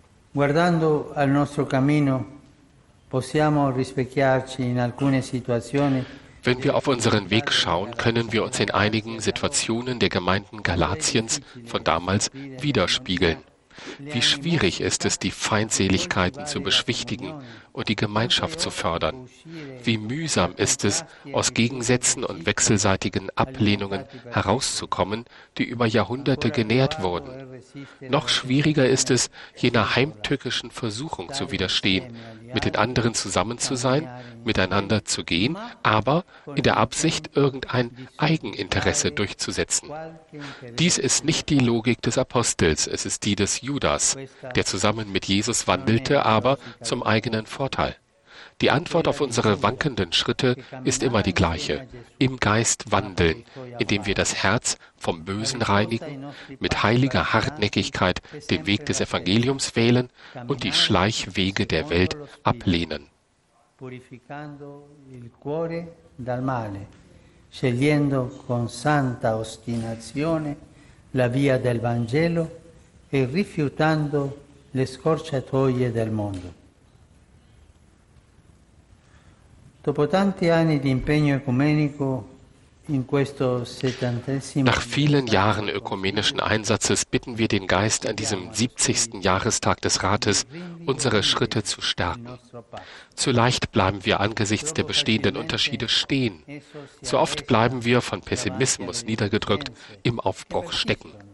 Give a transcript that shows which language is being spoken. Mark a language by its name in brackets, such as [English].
[Italian] Guardando al nostro cammino, possiamo rispecchiarci in alcune situazioni. [German] Wenn wir auf unseren Weg schauen, können wir uns in einigen Situationen der Gemeinden Galatiens von damals widerspiegeln. Wie schwierig ist es, die Feindseligkeiten zu beschwichtigen und die Gemeinschaft zu fördern? Wie mühsam ist es, aus Gegensätzen und wechselseitigen Ablehnungen herauszukommen, die über Jahrhunderte genährt wurden? Noch schwieriger ist es, jener heimtückischen Versuchung zu widerstehen, mit den anderen zusammen zu sein, miteinander zu gehen, aber in der Absicht, irgendein Eigeninteresse durchzusetzen. Dies ist nicht die Logik des Apostels, es ist die des Judas, der zusammen mit Jesus wandelte, aber zum eigenen Vorteil. Die Antwort auf unsere wankenden Schritte ist immer die gleiche: im Geist wandeln, indem wir das Herz vom Bösen reinigen, mit heiliger Hartnäckigkeit den Weg des Evangeliums wählen und die Schleichwege der Welt ablehnen. [Italian] Purificando il cuore dal male, scegliendo con santa ostinazione la via del Vangelo e rifiutando le scorciatoie del mondo. Dopo tanti anni di impegno ecumenico in questo settantesimo. [German] Nach vielen Jahren ökumenischen Einsatzes bitten wir den Geist an diesem 70. Jahrestag des Rates, unsere Schritte zu stärken. Zu leicht bleiben wir angesichts der bestehenden Unterschiede stehen. Zu oft bleiben wir von Pessimismus niedergedrückt im Aufbruch stecken.